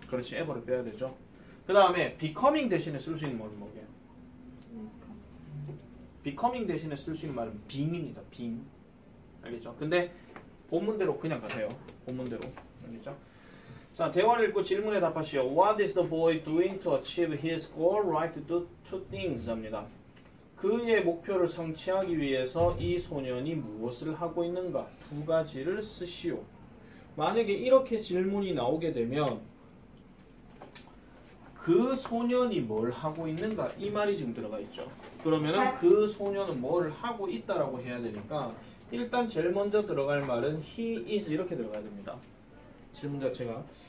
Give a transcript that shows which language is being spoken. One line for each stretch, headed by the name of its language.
Korean: 그렇지, ever를 빼야 되죠. 그 다음에 becoming 대신에 쓸 수 있는 말은 뭐예요? becoming 대신에 쓸 수 있는 말은 being입니다. being. 알겠죠? 근데 본문대로 그냥 가세요. 본문대로. 알겠죠? 자, 대화를 읽고 질문에 답하시오.
English: What is the boy doing to achieve his goal? Right to do two things
Korean: 합니다. 그의 목표를 성취하기 위해서 이 소년이 무엇을 하고 있는가? 두 가지를 쓰시오. 만약에 이렇게 질문이 나오게 되면 그 소년이 뭘 하고 있는가? 이 말이 지금 들어가 있죠. 그러면은 그 소년은 뭘 하고 있다라고 해야 되니까 일단 제일 먼저 들어갈 말은 he is 이렇게 들어가야 됩니다. 질문 자체가.